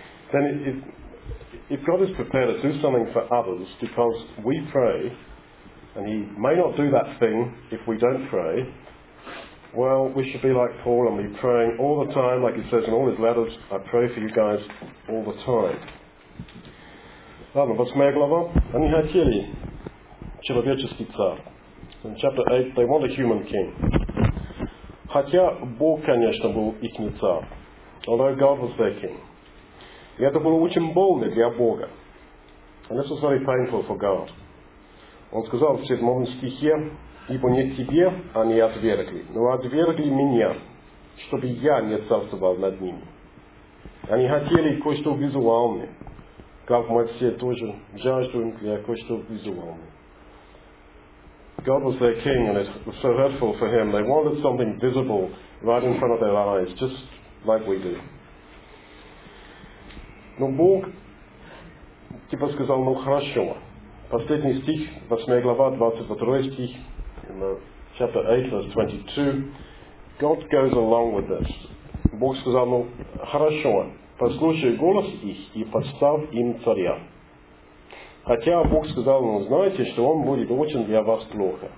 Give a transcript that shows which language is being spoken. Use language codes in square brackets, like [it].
[en] Then if God is prepared to do something for others because we pray, and he may not do that thing if we don't pray, well, we should be like Paul and be praying all the time, like he says in all his letters, I pray for you guys all the time. [ru] Ладно, восьмая глава. Они хотели человеческий царь. [en] In chapter 8, they want a human king. [ru] Хотя Бог, конечно, был их царь. [en] Although God was their king. [ru] И это было очень больно для Бога. [en] And this was very painful for God. [ru] Он сказал в 7 стихе, ибо не тебе они отвергли, но отвергли меня, чтобы я не царствовал над ними. Они хотели кое-что визуальное. Как мы все тоже жаждуем для кое-что визуально. [en] God was their king, and it was so hurtful for him. They wanted something visible right in front of their eyes, just like we do. [ru] Но Бог типа сказал, ну хорошо. Последний стих, 8 глава, 22 стих, [en] in chapter 8, verse 22. God goes along with this. [ru] Бог сказал, ну хорошо. Послушай голос их и подстав им царя. Хотя Бог сказал, ну знаете, что он будет очень для вас плохо.